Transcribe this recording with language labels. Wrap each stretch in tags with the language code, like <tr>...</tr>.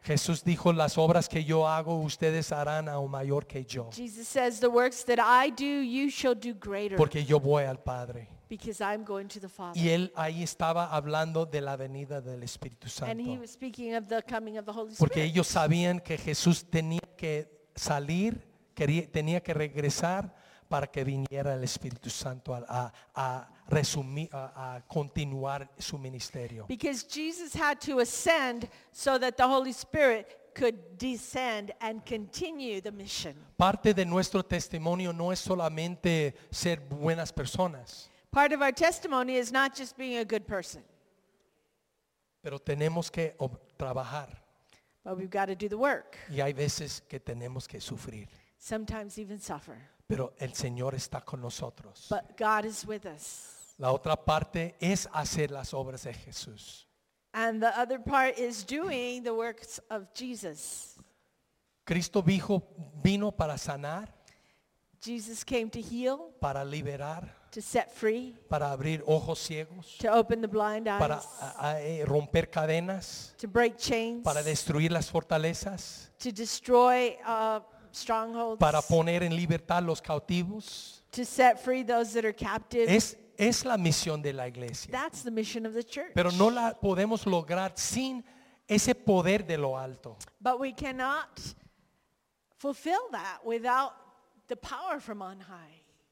<es>Jesús dijo, las obras que yo hago, ustedes harán aún mayor que yo.</es> <en>Jesus says, the works that I do, you shall do greater.</en> <es>Porque yo voy al Padre.</es> <en>Because I'm going to the Father.</en> <es>Y él ahí estaba hablando de la venida del Espíritu Santo.</es> <en>And he was speaking of the coming of the Holy Spirit.</en> <es>Porque ellos sabían que Jesús tenía que salir, tenía que regresar para que viniera el Espíritu Santo a continuar su ministerio.</es> <en>Because Jesus had to ascend so that the Holy Spirit could descend and continue the mission.</en> <es>Parte de nuestro testimonio no es solamente ser buenas personas.</es> <en>Part of our testimony is not just being a good person.</en> <es>Pero tenemos que trabajar.</es> <en>But we've got to do the work.</en> <es>Y hay veces que tenemos que sufrir.</es> <en>Sometimes even suffer.</en> <es>Pero el Señor está con nosotros.</es> <en>But God is with us.</en> <es>La otra parte es hacer las obras de Jesús.</es> <en>And the other part is doing the works of Jesus.</en> <es>Cristo vino para sanar.</es> <en>Jesus came to heal.</en> <es>Para liberar.</es> <en>To set free.</en> <es>Para abrir ojos ciegos.</es> <en>To open the blind eyes.</en> <es>Para romper cadenas.</es> <en>To break chains.</en> <es>Para destruir las fortalezas.</es> <en>To destroy strongholds.</en> <es>Para poner en libertad los cautivos.</es> <en>To set free those that are captive.</en> <es>Es la misión de la iglesia.</es> <en>That's the mission of the church.</en> <es>Pero no la podemos lograr sin ese poder de lo alto.</es> <en>But we cannot fulfill that without the power from on high.</en>